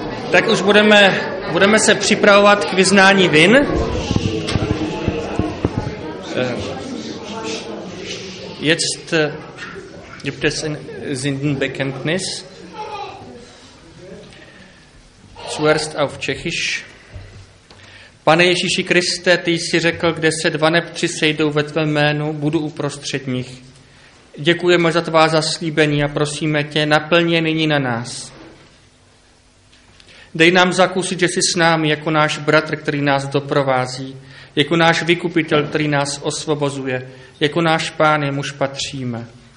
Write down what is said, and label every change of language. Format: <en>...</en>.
<cs>tak už budeme se připravovat k vyznání vin.</cs> <de>Jetzt gibt es ein Sündenbekenntnis. Zuerst auf Tschechisch.</de> <cs>Pane Ježíši Kriste, ty jsi řekl, kde se dva nebo tři sejdou ve tvém jménu, budu uprostřed nich. Děkujeme za tvá zaslíbení a prosíme tě, naplň je nyní na nás. Dej nám zakusit, že jsi s námi jako náš bratr, který nás doprovází, jako náš vykupitel, který nás osvobozuje, jako náš pán, jemuž patříme.</cs>